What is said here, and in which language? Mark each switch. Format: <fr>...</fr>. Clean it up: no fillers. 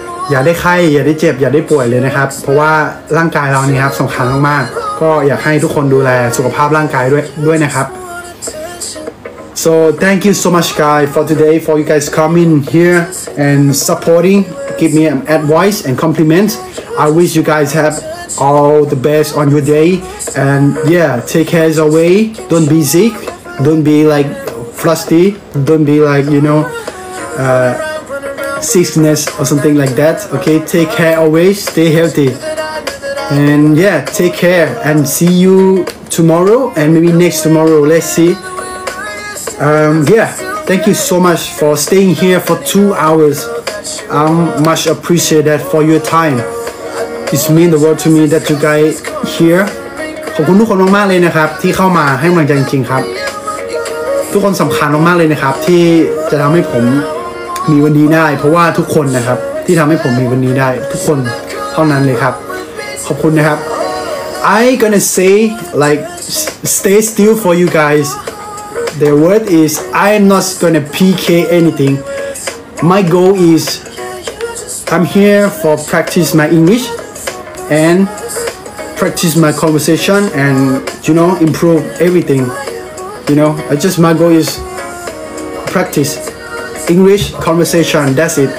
<th>อย่าได้ไข้อย่าได้เจ็บอย่าได้ป่วยเลยนะครับเพราะว่าร่างกายเรานี่ครับสำคัญมากๆก็อยากให้ทุกคนดูแลสุขภาพร่างกายด้วยนะครับ</th> <en>So thank you so much guys for today, for you guys coming here and supporting, give me advice and compliments. I wish you guys have all the best on your day. And yeah, take care away. Don't be sick. Don't be like frosty. Don't be like, you know, sickness or something like that. Okay, take care away. Stay healthy. And yeah, take care and see you tomorrow and maybe next tomorrow. Let's see. Yeah, thank you so much for staying here for 2 hours. I'm much appreciate that for your time. It's mean the world to me that you guys here.</en> <th>ขอบคุณทุกคนมากๆเลยนะครับที่เข้ามาให้กำลังใจจริงๆครับทุกคนสำคัญมากๆเลยนะครับที่จะทำให้ผมมีวันนี้ได้เพราะว่าทุกคนนะครับที่ทำให้ผมมีวันนี้ได้ทุกคนเท่านั้นเลยครับขอบคุณนะครับ</th> <en>I gonna say like stay still for you guys.The word is I'm not gonna PK anything. my goal is I'm here for practice my English and practice my conversation and you know improve everything. You know, I just my goal is practice English conversation. That's it.</en>